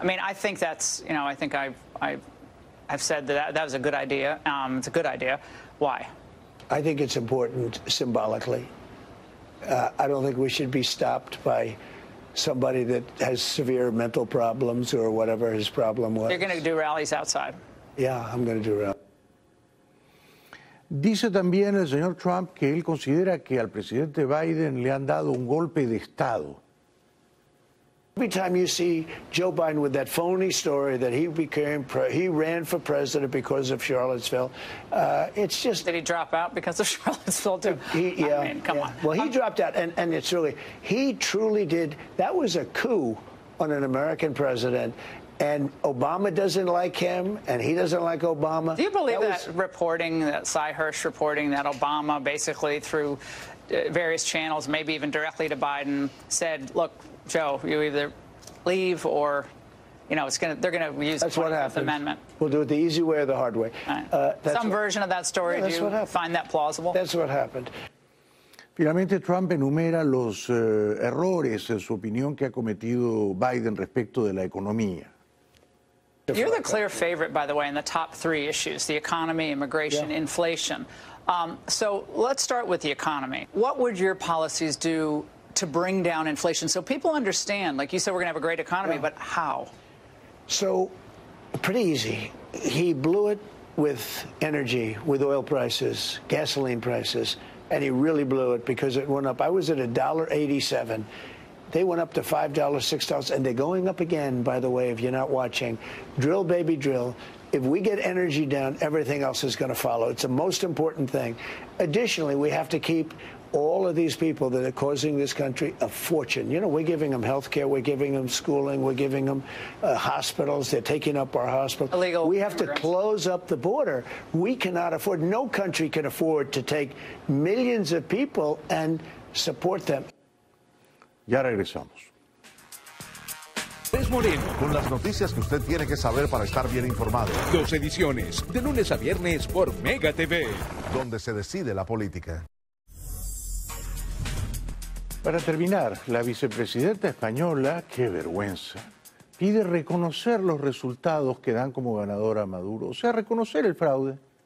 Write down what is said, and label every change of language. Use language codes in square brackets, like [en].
[en] I mean, I think that's, you know, I think I've said that was a good idea. It's a good idea. Why? I think it's important symbolically. I don't think we should be stopped by somebody that has severe mental problems or whatever his problem was. You're going to do rallies outside. Yeah, I'm going to do that. [es] Dice también el señor Trump que él considera que al presidente Biden le han dado un golpe de estado. [en] Every time you see Joe Biden with that phony story that he ran for president because of Charlottesville, it's just did he drop out because of Charlottesville too? He dropped out, and it's really he truly did. That was a coup on an American president. And Obama doesn't like him, and he doesn't like Obama. Do you believe that, Cy Hirsch reporting that Obama basically through various channels, maybe even directly to Biden, said, look, Joe, you either leave or, you know, they're going to use that's the 25th Amendment. We'll do it the easy way or the hard way. Right. Version of that story, yeah, do you find that plausible? That's what happened. [es] Finalmente, Trump enumera los errores, en su opinión, que ha cometido Biden respecto de la economía. [en] You're the clear favorite, by the way, in the top three issues, the economy, immigration, inflation. So let's start with the economy. What would your policies do to bring down inflation? So people understand, like you said, we're going to have a great economy, but how? So pretty easy. He blew it with energy, with oil prices, gasoline prices, and he really blew it because it went up. I was at $1.87. They went up to $5, $6, and they're going up again, by the way, if you're not watching. Drill, baby, drill. If we get energy down, everything else is going to follow. It's the most important thing. Additionally, we have to keep all of these people that are causing this country a fortune. You know, we're giving them health care, we're giving them schooling, we're giving them hospitals, they're taking up our hospitals. Illegal. We have immigrants. To close up the border. We cannot afford, no country can afford to take millions of people and support them. [es] Ya regresamos. Es Moreno. Con las noticias que usted tiene que saber para estar bien informado. Dos ediciones, de lunes a viernes por Mega TV. Donde se decide la política. Para terminar, la vicepresidenta española, qué vergüenza, pide reconocer los resultados que dan como ganador a Maduro, o sea, reconocer el fraude.